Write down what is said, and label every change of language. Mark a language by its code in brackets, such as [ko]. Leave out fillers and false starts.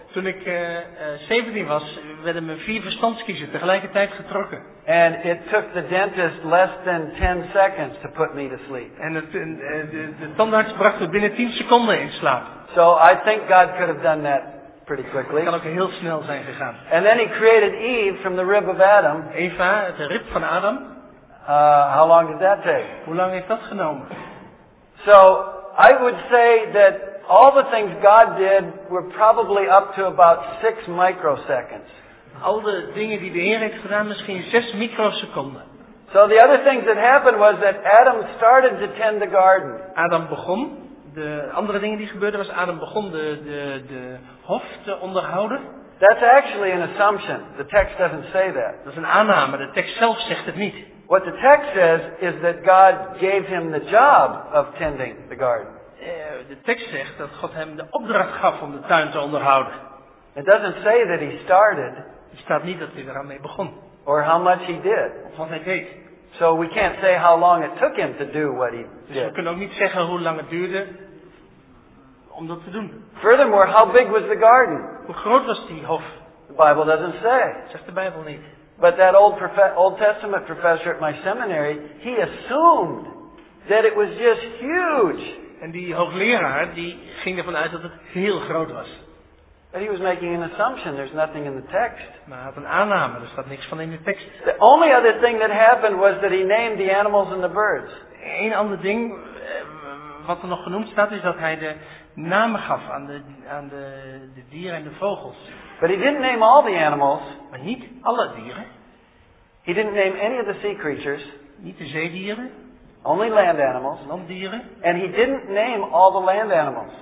[nl] Toen ik 17 was, werden mijn vier verstandskiezen tegelijkertijd getrokken. [en] And it took the dentist less than 10 seconds to put me to sleep. [nl] En de tandarts bracht me binnen 10 seconden in slaap. [en] So I think God could have done that pretty quickly. [nl] Kan ook heel snel zijn gegaan. [en] And then he created Eve from the rib of Adam. [nl] Eva, de rib van Adam. [en] How long did that take? [nl] Hoe lang heeft dat genomen? [en] So I would say that all the things God did were probably up to about 6 microseconds. [nl] Al de dingen die de Heer heeft gedaan, misschien 6 microseconden. [en] So the other things that happened was that Adam started to tend the garden. [nl] Adam begon. De andere dingen die gebeurden was Adam begon de hof te onderhouden. [en] That's actually an assumption. The text doesn't say that. [nl] Dat is een aanname. De tekst zelf zegt het niet. [en] What the text says is that God gave him the job of tending the garden. [nl] De tekst zegt dat God hem de opdracht gaf om de tuin te onderhouden. [en] It doesn't say that he started. [nl] Het staat niet dat hij eraan mee begon. [en] Or how much he did. [nl] Of wat hij deed. [en] So we can't say how long it took him to do what he did. [nl] Dus we kunnen ook niet zeggen hoe lang het duurde om dat te doen. [en] Furthermore, how big was the garden? [nl] Hoe groot was die hof? [en] The Bible doesn't say. [nl] Zegt de Bijbel niet. [en] But that Old Testament professor at my seminary, he assumed that it was just huge. [nl] En die hoogleraar, die ging ervan uit dat het heel groot was. [en] But he was making an assumption. There's nothing in the text. [nl] Maar hij had een aanname. Er staat niks van in de tekst. [en] The only other thing that happened was that he named the animals and the birds. [nl] Eén ander ding wat er nog genoemd staat is dat hij de namen gaf aan de dieren en de vogels. [en] But he didn't name all the animals. [nl] Maar niet alle dieren. [en] He didn't name any of the sea creatures. [nl] Niet de zeedieren. [en] Only land animals. [nl] Landdieren. [en] And he didn't name all the land animals.